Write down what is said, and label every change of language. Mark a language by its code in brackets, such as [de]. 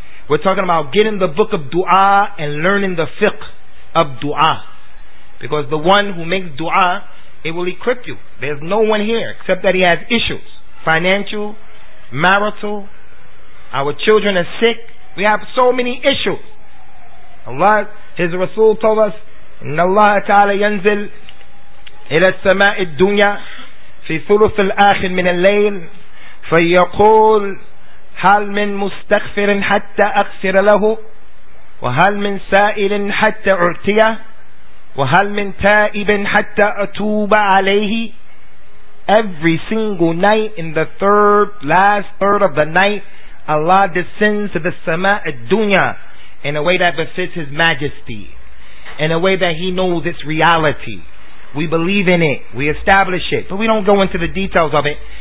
[en] We're talking about getting the book of dua and learning the fiqh of dua. Because the one who makes dua, it will equip you. There's no one here except that he has issues. Financial, marital, our children are sick. We have so many issues. Allah, His Rasul told us, [ar] إِنَّ اللَّهَ تَعَالَى يَنْزِلْ إِلَى السَّمَاءِ الدُّنْيَا فِي ثُلُثِ الْآخِرِ مِنَ اللَّيْلِ فَيَقُولْ هَلْ مِنْ مُسْتَغْفِرٍ حَتَّى أَغْفِرَ لَهُ وَهَلْ مِنْ سَائِلٍ حَتَّى أُعْتِيَ وَهَلْ مِنْ تَائِبٍ حَتَّى أَتُوبَ عَلَيْهِ. [en] Every single night in the third, last third of the night, Allah descends to the sama al-dunya in a way that befits His majesty, in a way that He knows its reality. We believe in it, we establish it, but we don't go into the details of it.